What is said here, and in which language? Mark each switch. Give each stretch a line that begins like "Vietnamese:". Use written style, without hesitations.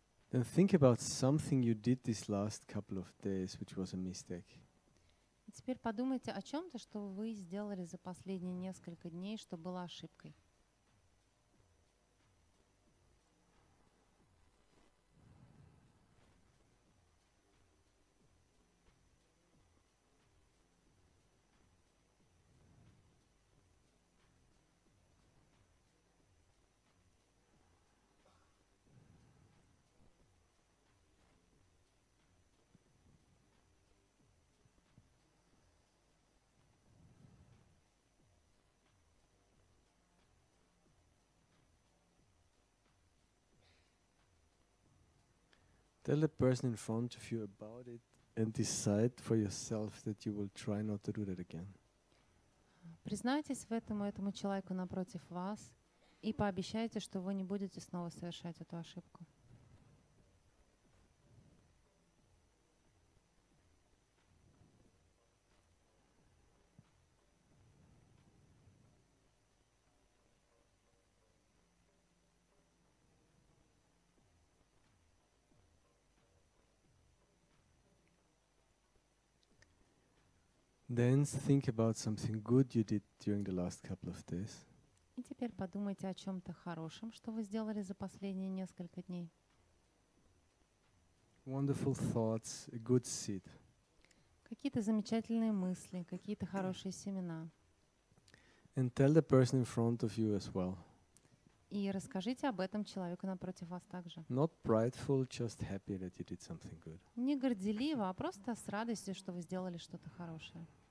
English: And think about something you did this last couple of days, which was a mistake.
Russian: Теперь подумайте о чем-то, что вы сделали за последние несколько дней, что было ошибкой.
English: Tell the person in front of you about it and decide for yourself that you will try not to do that again.
Russian: Признайтесь в этом этому человеку напротив вас и пообещайте, что вы не будете снова совершать эту ошибку.
English: Then think about something good you did during the last couple of days.
Russian: И теперь подумайте о чем-то хорошем, что вы сделали за последние несколько дней.
English: Wonderful thoughts, a good seed.
Russian: Какие-то замечательные мысли, какие-то хорошие семена.
English: And tell the person in front of you as well.
Russian: И расскажите об этом человеку напротив вас также.
English: Not prideful, just happy that you did something good.
Russian: Не горделиво, а просто с радостью, что вы сделали что-то хорошее.